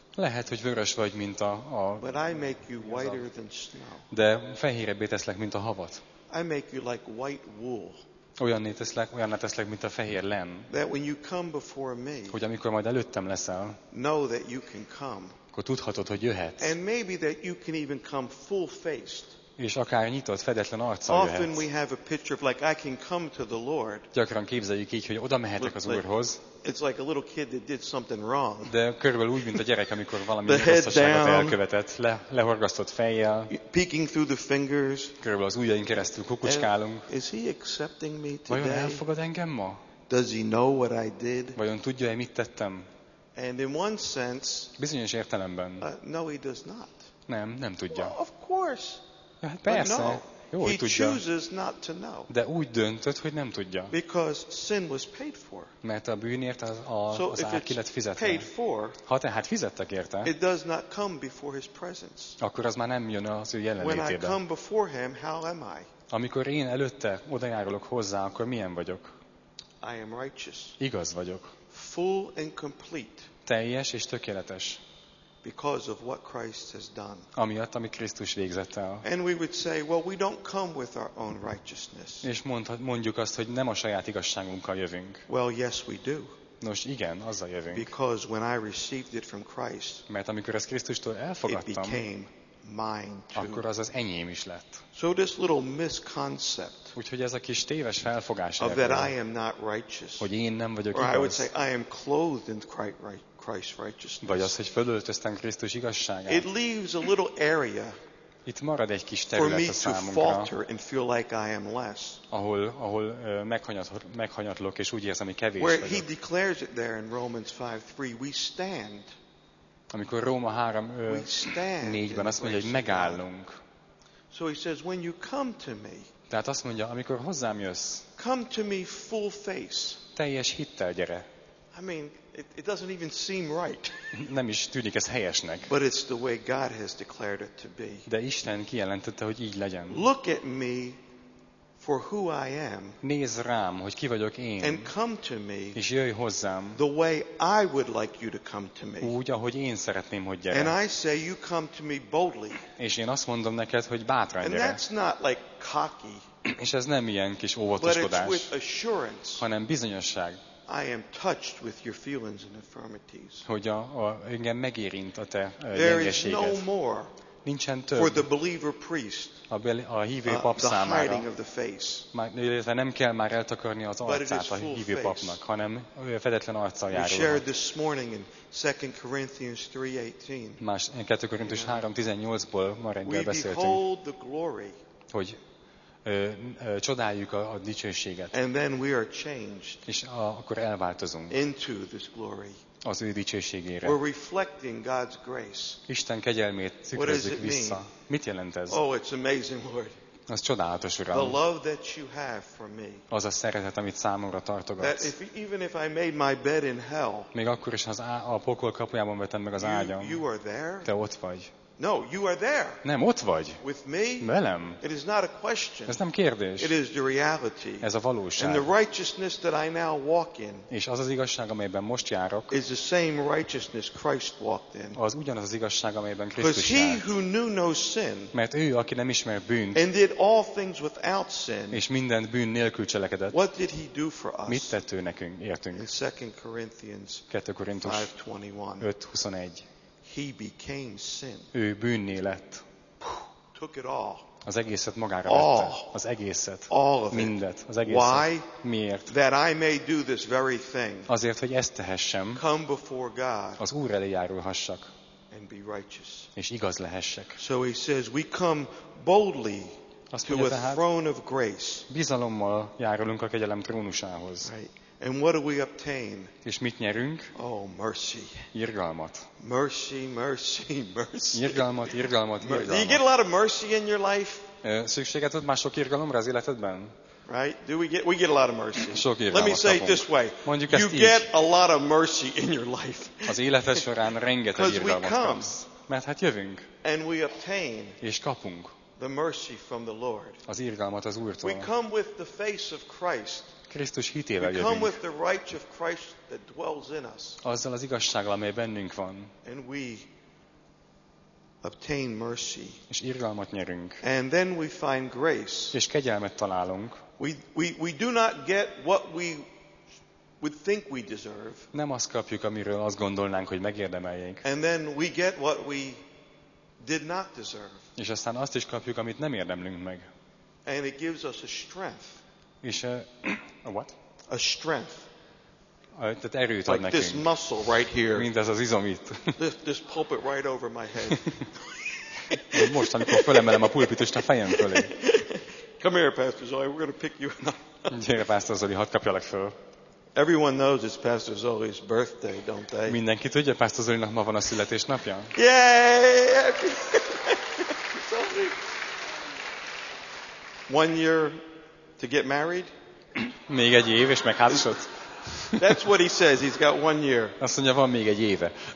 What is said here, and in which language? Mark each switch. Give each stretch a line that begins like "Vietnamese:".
Hungarian: Lehet, hogy vörös vagy, mint a
English: but I make you whiter than snow.
Hungarian: De fehérebbé teszlek, mint a havat.
English: I make you like white wool.
Hungarian: Olyanná teszlek, mint a fehér len.
English: That when you come before me,
Hungarian: hogy amikor majd előttem leszel,
English: know that you can come,
Hungarian: akkor tudhatod, hogy jöhet.
English: And maybe that you can even come full-faced.
Hungarian: És akár nyitott, fedetlen arccal jöhet.
English: Often we have a picture of like I can come to the Lord.
Hungarian: Gyakran képzeljük így, hogy oda mehetek az Úrhoz.
English: It's like a little kid that did something wrong.
Hungarian: De körülbelül úgy, mint a gyerek, amikor valami rosszaságot elkövetett, lehorgasztott fejjel.
English: Peeking through the fingers.
Hungarian: Körülbelül az ujjain keresztül kukucskálunk.
English: Is he accepting me today?
Hungarian: Vajon elfogad engem ma?
English: Does he know what I did?
Hungarian: Vajon tudja-e, mit tettem?
English: And in one sense,
Hungarian: bizonyos értelemben.
English: No, he does not.
Hungarian: Nem, nem tudja.
English: Well, of course.
Hungarian: Hát persze, jó,
English: he chooses not to know.
Hungarian: De úgy döntött, hogy nem tudja.
English: Because sin was paid for.
Hungarian: Mert a bűnért az ár ki lett fizetve.
English: Paid for,
Hungarian: ha tehát fizettek érte,
English: it does not come before his presence.
Hungarian: Akkor az már nem jön az ő jelenlétébe.
English: When I come before him, how am I?
Hungarian: Amikor én előtte odajárulok hozzá, akkor milyen vagyok?
English: I am righteous.
Hungarian: Igaz vagyok.
English: Full and complete.
Hungarian: Teljes és tökéletes.
English: Because of what Christ has done.
Hungarian: Amiatt, amit Krisztus végzett el.
English: And we would say, well, we don't come with our own righteousness.
Hungarian: És mondjuk azt, hogy nem a saját igazságunkkal jövünk.
English: Well, yes, we do.
Hungarian: Nos, igen, azzal jövünk.
English: Because when I received it from Christ,
Hungarian: mert amikor ezt Krisztustól elfogadtam,
English: it became mine too.
Hungarian: Akkor az az enyém is lett.
English: So this little misconcept,
Hungarian: úgyhogy ez a kis téves felfogás,
English: of that I am not righteous,
Hungarian: hogy én nem vagyok
English: or
Hungarian: igaz.
English: Or I would say, I am clothed in Christ righteousness.
Hungarian: Vagy az, hogy fölöltöztem Krisztus igazságát.
English: It leaves a little area.
Hungarian: Itt marad egy kis terület a számunkra,
English: like I am less,
Hungarian: ahol meghanyatlok és úgy érzem, hogy kevés vagyok.
English: Where he declares it there in Romans 5:3, we stand.
Hungarian: Amikor Róma 3:4-ben azt mondja, hogy megállunk.
English: So he says, when you come to me.
Hungarian: Tehát azt mondja, amikor hozzám jössz.
English: Come to me full face.
Hungarian: Teljes hittel gyere.
English: I mean, it doesn't even seem right.
Hungarian: Nem is tűnik ez helyesnek.
English: But it's the way God has declared it to be.
Hungarian: De Isten kijelentette, hogy így legyen.
English: Look at me for who I am.
Hungarian: Nézz rám, hogy ki vagyok én.
English: And come to me.
Hungarian: És jöjj hozzám.
English: The way I would like you to come to me.
Hungarian: Úgy, ahogy én szeretném, hogy gyere.
English: And I say you come to me boldly.
Hungarian: És én azt mondom neked, hogy bátran gyere.
English: And that's not like cocky.
Hungarian: És ez nem ilyen kis óvatoskodás.
English: But it's with assurance.
Hungarian: Hanem bizonyosság.
English: I am touched with your feelings and infirmities.
Hungarian: Hogy engem megérint a te gyengeséged.
English: No more.
Hungarian: Nincsen több.
English: For the believer priest.
Hungarian: A hívő pap számára.
English: The hiding of the face.
Hungarian: Nem kell már eltakarni az arcát a hívő papnak, hanem fedetlen arccal járulhat.
English: We shared this morning in 2 Corinthians 3:18.
Hungarian: Más 2 Korintus 3:18-ból ma reggel beszéltünk.
English: We behold the glory.
Hungarian: Hogy csodáljuk a dicsőséget.
English: And then we are changed.
Hungarian: És akkor elváltozunk.
English: Into this glory.
Hungarian: Az ő dicsőségére.
English: We're reflecting God's grace.
Hungarian: Isten kegyelmét tükrözzük vissza. Mit jelent ez?
English: Oh, it's amazing, Lord.
Hungarian: Az csodálatos, Uram.
English: The love that you have for me.
Hungarian: Az a szeretet, amit számomra tartogatsz.
English: That if, even if I made my bed in hell.
Hungarian: Még akkor is, ha a pokol kapujában vettem meg az ágyam.
English: You are there.
Hungarian: Te ott vagy.
English: No, you are there.
Hungarian: Nem, ott vagy.
English: With me?
Hungarian: Velem.
English: It is not a question.
Hungarian: Ez nem kérdés.
English: It is the reality.
Hungarian: Ez a valóság.
English: And the righteousness that I now walk in.
Hungarian: És az az igazság, amelyben most járok.
English: Is the same righteousness Christ walked in.
Hungarian: Az ugyanaz az igazság, amelyben Krisztus járt.
English: Because he who knew no sin.
Hungarian: Mert ő, aki nem ismert bűnt.
English: And did all things without sin.
Hungarian: És mindent bűn nélkül cselekedett.
English: What did he do for us?
Hungarian: Mit tett ő nekünk, értünk?
English: In 2 Corinthians 5:21. He became sin.
Hungarian: Ő bűnné lett.
English: Took it all.
Hungarian: Az egészet magára vette. Az egészet.
English: All of
Hungarian: mindet.
English: It.
Hungarian: Az egészet.
English: Why?
Hungarian: Miért?
English: That I may do this very thing.
Hungarian: Azért, hogy ezt tehessem.
English: Come before God.
Hungarian: Az Úr elé járulhassak.
English: And be righteous.
Hungarian: És igaz lehessek.
English: So he says, we come boldly to
Hungarian: tehát,
English: a throne of grace.
Hungarian: Bizalommal járulunk a kegyelem trónusához.
English: Right. And what do we obtain?
Hungarian: És mit nyerünk?
English: Oh, mercy.
Hungarian: Irgalmat.
English: Mercy, mercy, mercy.
Hungarian: Irgalmat, irgalmat, irgalmat.
English: Do you get a lot of mercy in your life?
Hungarian: Szükséged ad mások irgalomra az életedben?
English: Right? Do we get a lot of mercy?
Hungarian: Sok irgalmat.
English: Let me say it this way.
Hungarian: Mondjuk
English: you get a lot of mercy in your life.
Hungarian: Az életed során rengeteg irgalmat kapsz.
English: Because we come.
Hungarian: Mert hát jövünk.
English: And we obtain.
Hungarian: És kapunk.
English: The mercy from the Lord.
Hungarian: Az irgalmat az Úrtól.
English: We come with the face of Christ.
Hungarian: Krisztus hitével jövünk.
English: We come with the righteous of Christ that dwells in us.
Hungarian: Azzal az igazsággal, amely bennünk van.
English: And we obtain mercy.
Hungarian: És irgalmat nyerünk.
English: And then we find grace.
Hungarian: És kegyelmet találunk.
English: We do not get what we would think we deserve.
Hungarian: Nem azt kapjuk, amiről azt gondolnánk, hogy megérdemeljék.
English: And then we get what we did not deserve.
Hungarian: És aztán azt is kapjuk, amit nem érdemlünk meg.
English: And it gives us a strength.
Hungarian: És a
English: what? A strength.
Hungarian: Tehát erőt ad
English: like
Hungarian: nekünk.
English: This muscle right here.
Hungarian: Mindez az izom itt.
English: This pulpit right over my head.
Hungarian: Most, amikor fölemelem a pulpitust a fejem fölé.
English: Come here, Pastor Zoli. We're going to pick you up.
Hungarian: Gyere, Pastor Zoli, hadd kapjalak föl.
English: Everyone knows it's Pastor Zoli's birthday, don't they?
Hungarian: Mindenki tudja, Pastor Zolinak ma van a születésnapja. Yay!
English: One year to get married?
Hungarian: Még egy év és megházasodsz.
English: That's what he says. He's got one year.
Hungarian: Azt mondja, van még egy éve.